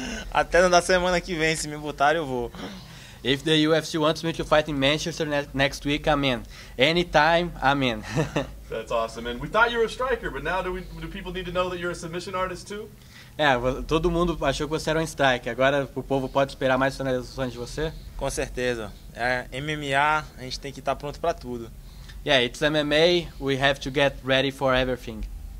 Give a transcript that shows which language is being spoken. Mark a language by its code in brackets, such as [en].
[pt] Até na semana que vem, se me botarem, eu vou. [en] If the UFC wants me to fight in Manchester next week, I'm in. Anytime, I'm in. That's awesome. And we thought you were a striker, but now do people need to know that you're a submission artist too? [pt] Todo mundo achou que você era um striker. Agora o povo pode esperar mais finalizações de você? Com certeza. MMA, a gente tem que estar pronto para tudo. [en] Yeah, it's MMA. We have to get ready for everything.